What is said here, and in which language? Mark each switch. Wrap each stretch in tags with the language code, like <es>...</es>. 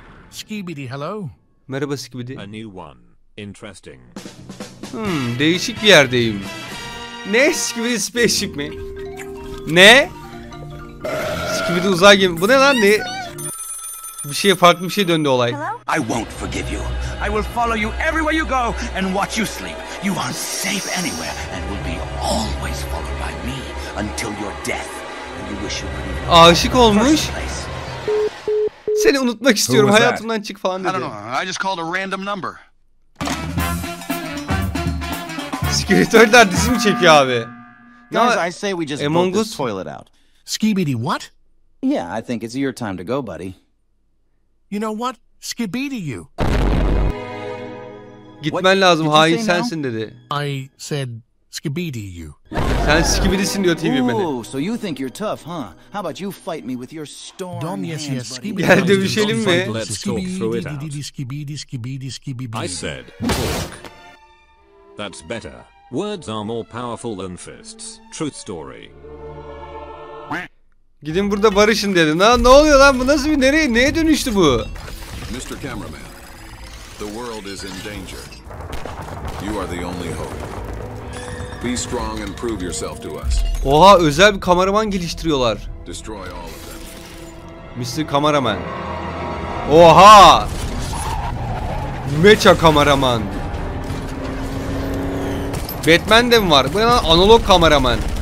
<en>Skibidi hello.</en> <tr>Merhaba Skibidi.</tr> <en>A new one. Interesting.</en> <tr>Değişik bir yerdeyim. Ne Skibidi spaceship mi? Ne? Skibidi uzay gemi. Bu ne lan ne? Bir şey farklı bir şey döndü olay.</tr> <en>Hello? I won't forgive you. I will follow you everywhere you go and watch you sleep. You are safe anywhere and will be always followed by me until your death. You wish you were.</en> <tr>Aşık olmuş. Seni unutmak istiyorum. Hayatımdan çık falan dedi.</tr> <en>I don't know. I just called a random number.</en> <tr>Skibidi'ler dizi mi çekiyor abi?</tr> <en>Guys, I say we just put this toilet out. Skibidi what? Yeah, I think it's your time to go, buddy. You know what? Skibidi you.</en> <tr>Gitmen lazım. Hayır, sensin no? dedi.</tr> <en>I said Skibidi you.</en> <tr>Sen Skibidi'sin diyor TV beni.</tr> <en>Oh, so you think you're tough, huh? How about you fight me with your storm? Dom, yes, yes. Skibidi.</en> <tr>Gel dövüşelim mi? Skibidi, Skibidi, Skibidi, Skibidi.</tr> <en>I said talk. That's better. Words are more powerful than fists. Truth story.</en> <tr>Gidin burada barışın dedi. Lan ne oluyor lan? Bu nasıl bir nereye neye dönüştü bu?</tr> <en>Mr. Cameraman. The world is in danger. You are the only hope. Be strong and prove yourself to us.</en> <tr>Oha, özel bir kameraman geliştiriyorlar.</tr> <en>Destroy all of them. Mr. Cameraman.</en> <tr>Oha! Mecha kameraman. Batman de mi var? Bu ne? Analog kameraman.</tr>